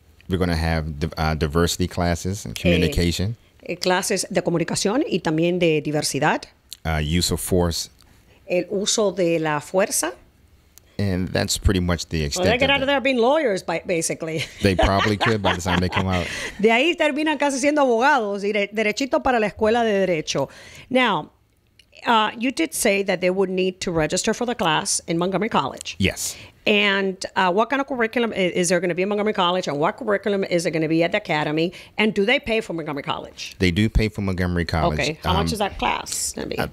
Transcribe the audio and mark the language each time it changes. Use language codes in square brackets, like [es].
[en] We're going to have diversity classes and communication. [es] Clases de comunicación y también de diversidad. [en] Use of force. [es] El uso de la fuerza. [en] And that's pretty much the extent. Well, they get out of there being lawyers, basically. They probably could by the time they come out. [es] De ahí terminan casi siendo abogados y derechito para la escuela de derecho. [en] Now, you did say that they would need to register for the class in Montgomery College. Yes. And what kind of curriculum is there going to be in Montgomery College? And what curriculum is it going to be at the academy? And do they pay for Montgomery College? They do pay for Montgomery College. Okay. How much is that class going to be?